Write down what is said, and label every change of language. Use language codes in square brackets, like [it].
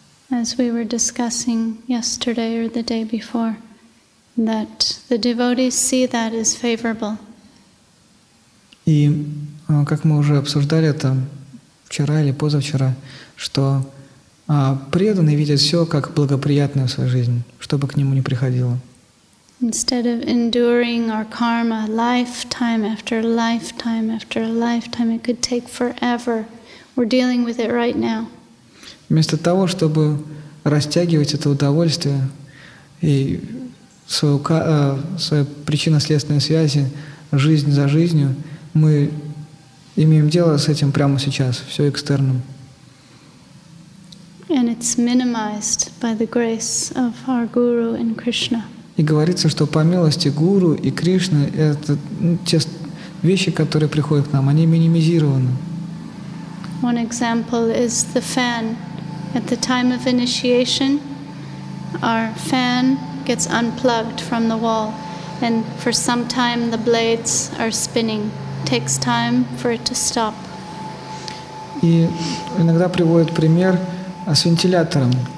[en] As we were discussing yesterday or the day before, that the devotees see that as favorable. [ru] И как мы уже обсуждали это вчера или позавчера, что преданный видит все как благоприятное в своей жизни, что бы к нему ни приходило. [en] Instead of enduring our karma lifetime after lifetime after lifetime, it could take forever. We're dealing with it right now. [ru] Вместо того, чтобы растягивать это удовольствие и свою причинно-следственные связи жизнь за жизнью, мы имеем дело с этим прямо сейчас, все экстерном. [en] And it's minimized by the grace of our Guru and Krishna. [ru] И говорится, что по милости Гуру и Кришны это те вещи, которые приходят к нам, они минимизированы. [en] One example is the fan. At the time of initiation, our fan gets unplugged from the wall, and for some time the blades are spinning. It takes time for it to stop. [ru] И иногда приводят пример с вентилятором.